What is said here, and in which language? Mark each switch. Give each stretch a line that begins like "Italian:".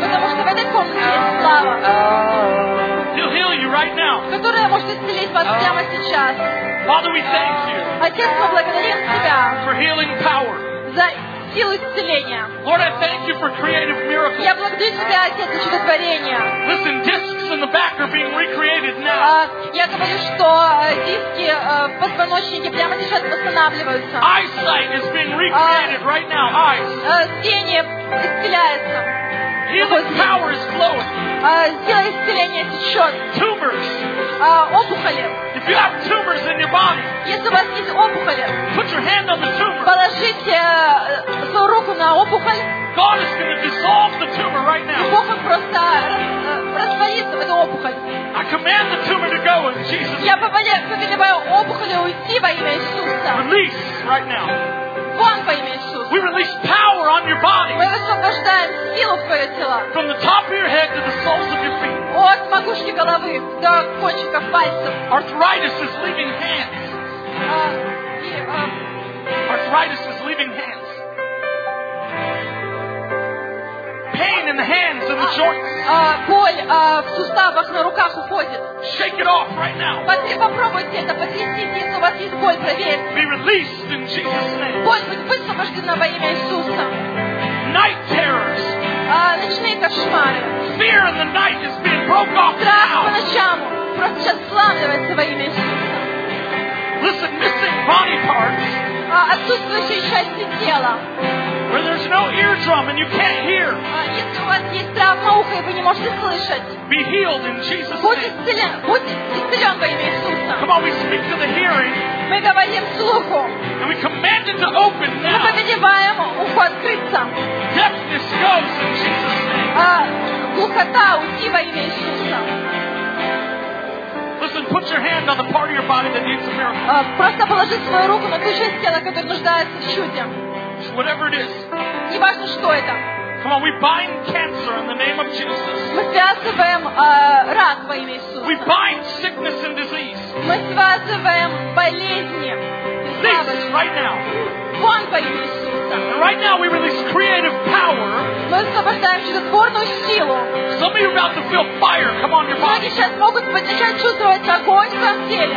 Russian: Потому что в этой комнате есть слава.
English: He'll heal you right now.
Russian: Которая может исцелить вас прямо сейчас.
English: Father, we thank you.
Russian: Отец, мы благодарим тебя.
English: For healing power.
Russian: За силу исцеления.
English: Lord, I thank you for creative miracles.
Russian: Я благодарю тебя, Отец, за чудотворение.
English: Listen, discs in the back are being recreated now.
Russian: Я говорю, что диски в позвоночнике прямо сейчас восстанавливаются.
English: Eyesight is being recreated right now. Eyes.
Russian: Зрение исцеляется.
English: Healing power is flowing.
Russian: Сила исцеления течет.
English: Tumors.
Russian: Опухоли.
English: If you have tumors in your body,
Russian: если у вас есть опухоли,
English: put your hand on the tumor.
Russian: Положите свою руку на опухоль.
English: God is going to dissolve the tumor right now.
Russian: Бог просто растворит эту опухоль.
English: I command the tumor to go in Jesus' name.
Russian: Я повелеваю опухоли уйти во имя Иисуса.
English: Release right now.
Russian: Вон во имя Иисуса.
English: We release power on your body.
Russian: Мы высвобождаем силу в твое тело.
English: From the top of your head to the soles of your feet.
Russian: От макушки головы до кончиков пальцев.
English: Arthritis is leaving hands. Arthritis is leaving hands. Pain in the hands and the joints.
Russian: Боль в суставах на руках уходит.
English: Shake it off right now.
Russian: Попробуйте это, потрясите, если у вас есть боль, проверьте.
English: Be released in Jesus' name.
Russian: Боль будет высвобождена во имя Иисуса.
English: Night terrors.
Russian: Ночные кошмары.
English: Fear in the night is being broke off.
Russian: Страх по ночам просто сейчас сламливается во имя Иисуса.
English: Listen, missing body parts.
Russian: Отсутствующие части тела.
English: Where there's no eardrum and you can't hear.
Russian: Если у вас есть травма уха и вы не можете слышать.
English: Be healed in Jesus' name.
Russian: Будь исцелен во имя Иисуса.
English: Come on, we speak to the hearing.
Russian: Мы говорим слуху.
English: And we command it to open now.
Russian: Мы повелеваем уху открыться.
English: Deafness goes in Jesus' name.
Russian: Глухота уйди во имя Иисуса.
English: Listen, put your hand on the part of your body that needs a miracle.
Russian: Просто положи свою руку на ту часть тела, которая нуждается в чуде.
English: Whatever it is.
Russian: Не важно, что это.
English: Come on, we bind cancer in the name of Jesus.
Russian: Мы связываем рак во имя Иисуса.
English: We bind sickness and disease.
Russian: Мы связываем болезни.
English: This right now.
Russian: Вон во имя Иисуса.
English: Right now we release creative power.
Russian: Мы освобождаем чудотворную силу.
English: Some of you are about to feel fire come on your body.
Russian: Многие сейчас могут начать чувствовать огонь в своем теле.